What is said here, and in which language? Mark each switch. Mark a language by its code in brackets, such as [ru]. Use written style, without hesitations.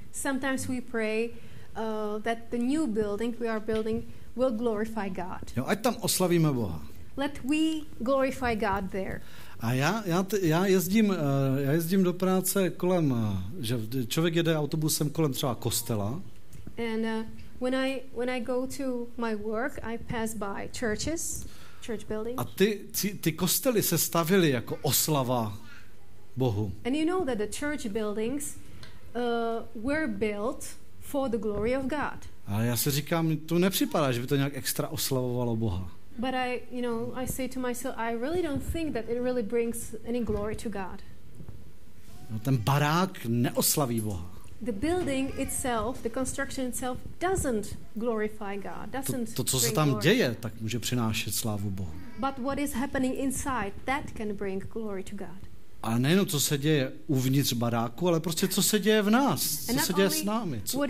[en] Sometimes we pray that the new building we are building will glorify God. [cs] Jo, ať tam oslavíme Boha. [en] Let we glorify God there. [cs] A já jezdím do práce kolem, že člověk jede autobusem kolem třeba kostela. [en] And when I go to my work, I pass by churches, church buildings. [cs] A ty kostely se stavily jako oslava Bohu. [en] And you know that the church buildings were built for the glory of God. [cs] A já si říkám, to nepřipadá, že by to nějak extra oslavovalo Boha. [en] But I, you know, I say to myself, I really don't think that it really brings any glory to God. [cs] No, ten barák neoslaví Boha. [en] The building itself, the construction itself doesn't glorify God. Doesn't [cs] to co se tam [en] glory. [cs] Děje, tak může přinášet slávu Bohu. [en] But what is happening inside, that can bring glory to God. [cs] A nejenom, co se děje uvnitř baráku, ale prostě, co se děje v nás, co se děje s námi.